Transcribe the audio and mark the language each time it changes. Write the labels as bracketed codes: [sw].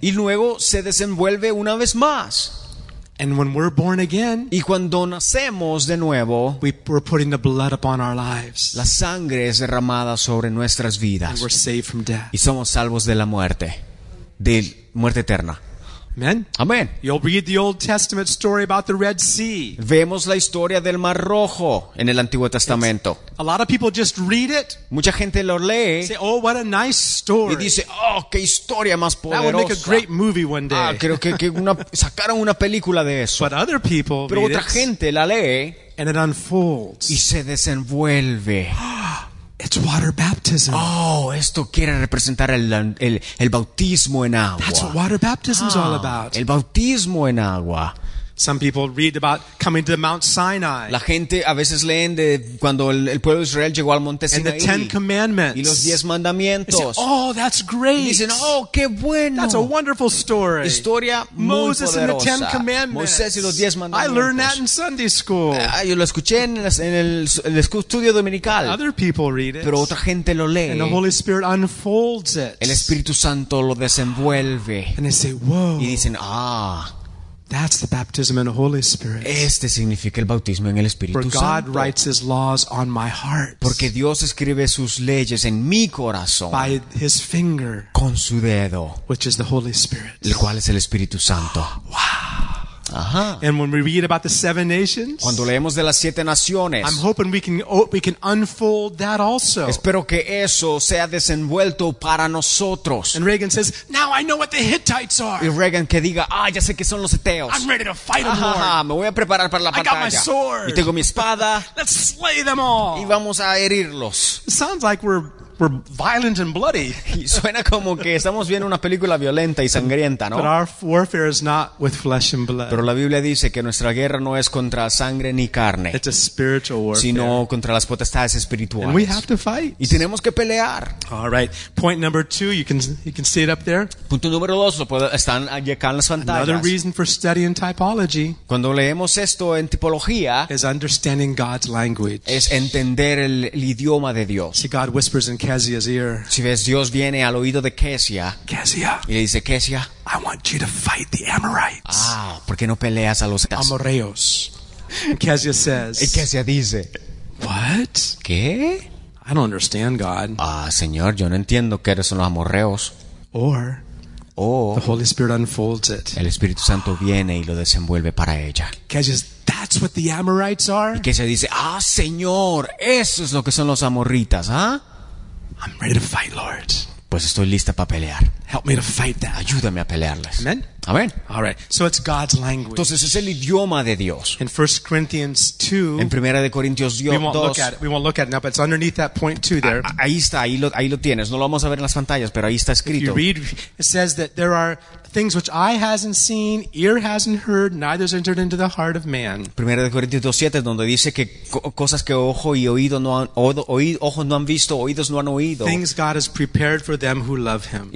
[es] Y luego se desenvuelve una vez más. [en] And when we're born again, [es] y cuando nacemos de nuevo, [en] we're putting the blood upon our lives. [es] La sangre es derramada sobre nuestras vidas. [en] And we're saved from death. [es] Y somos salvos de la muerte, de muerte eterna. [en] Amen. [es] Amen. [en] You'll read the Old Testament story about the Red Sea. [es] Vemos la historia del Mar Rojo en el Antiguo Testamento. [en] A lot of people just read it. [es] Mucha gente lo lee. [en] Say, oh, what a nice story. [es] Y dice, oh, qué historia más poderosa. [en] That would make a great movie one day. [es] Ah, creo que sacaron una película de eso. [en] But other people [es] pero otra gente la lee. [en] And it unfolds. [es] Y se desenvuelve. [en] It's water baptism. [es] Oh, esto quiere representar el bautismo en agua. [en] That's what water baptism is all about. [es] El bautismo en agua. [en] Some people read about coming to Mount Sinai. [es] La gente a veces leen de cuando el pueblo de Israel llegó al Monte Sinaí. [en] And the Ten Commandments. [es] Y los diez mandamientos. [en] They say, oh, that's great. [es] Y dicen, oh, qué bueno. [en] That's a wonderful story. [es] Historia muy poderosa. [en] Moses and the Ten Commandments. [es] Moisés y los diez mandamientos. [en] I learned that in Sunday school. [es] Yo lo escuché en el estudio dominical. [en] Other people read it. [es] Pero otra gente lo lee. [en] And the Holy Spirit unfolds it. [es] El Espíritu Santo lo desenvuelve. [en] And they say, whoa. [es] Y dicen, ah. [en] That's the baptism in the Holy Spirit. [es] Este significa el bautismo en el Espíritu [en] For [es] Santo. [en] For God writes His laws on my heart. [es] Porque Dios escribe sus leyes en mi corazón. [en] By His finger. [es] Con su dedo. [en] Which is the Holy Spirit. [es] El cual es el Espíritu Santo. [en] Wow. [es] Ajá. [en] And when we read about the seven nations, [es] cuando leemos de las siete naciones, [en] I'm hoping we can unfold that also. [es] Espero que eso sea desenvuelto para nosotros. [en] And Reagan says, "Now I know what the Hittites are." [es] Y Reagan que diga, "Ah, ya sé que son los Eteos." [en] I'm ready to fight them. [es] Ajá, me voy a preparar para la batalla. [en] I got my sword. [es] Y tengo mi espada. [en] Let's slay them all. [es] Y vamos a herirlos. [en] It sounds like we're violent and bloody. [es] Y suena como que estamos viendo una película violenta y sangrienta, ¿no? [en] But our warfare is not with flesh and blood. [es] Pero la Biblia dice que nuestra guerra no es contra sangre ni carne. [en] It's a spiritual warfare. [es] Sino contra las potestades espirituales. [en] And we have to fight. [es] Y tenemos que pelear. [en] All right. Point number two, you can see it up there. [es] Punto número dos, están acá en las pantallas. [en] Another reason for studying typology. [es] Cuando leemos esto en tipología, [en] is understanding God's language. [es] Es entender el idioma de Dios. [en] See, God whispers in Kezia's ear. [es] Si ves, Dios viene al oído de Kezia. [en] Kezia. [es] Y le dice, Kezia. [en] I want you to fight the Amorites. [es] Ah, ¿por qué no peleas a los [en] Amorreos? Kezia says. [es] Y Kezia dice. [en] What? [es] ¿Qué? [en] I don't understand God. [es] Ah, Señor, yo no entiendo qué eres los Amorreos. [en] Or. Oh. The Holy Spirit unfolds it. [es] El Espíritu Santo viene y lo desenvuelve para ella. [en] Kezia says, that's what the Amorites are. [es] Y Kezia dice, ah, Señor, eso es lo que son los Amorritas, ¿ah? [en] I'm ready to fight, Lord. [es] Pues estoy lista para pelear. [en] Help me to fight that. [es] Ayúdame a pelearles. [en] Amen. [es] Amen. [en] All right. So it's God's language. [es] Entonces es el idioma de Dios. [en] In 1 Corinthians 2. [es] En Primera de Corintios 2. [en] We won't look at it now, but it's underneath that point 2 there. [es] Ahí lo tienes. No lo vamos a ver en las pantallas, pero ahí está escrito. [en] You read, it says that there are things which eye hasn't seen, ear hasn't heard, neither has entered into the heart of man. [es] Primera de Corintios 2:7, donde dice que cosas que ojo y oído no han ojos no han visto, oídos no han oído. [en] Things God has prepared for them who love Him.